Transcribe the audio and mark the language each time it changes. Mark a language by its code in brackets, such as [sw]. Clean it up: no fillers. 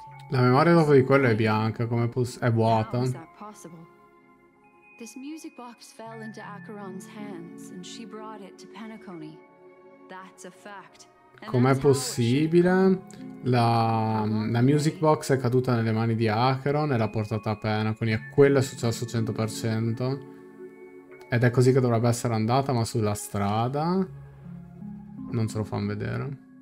[it] La memoria dopo di quello è bianca, come è vuota. [en] This music box fell into Acheron's hands and she brought it to Penacony. That's a fact. [it] Com'è possibile? La music box è caduta nelle mani di Acheron e l'ha portata a pena, quindi quello è successo 100%. Ed è così che dovrebbe essere andata, ma sulla strada non ce lo fanno vedere.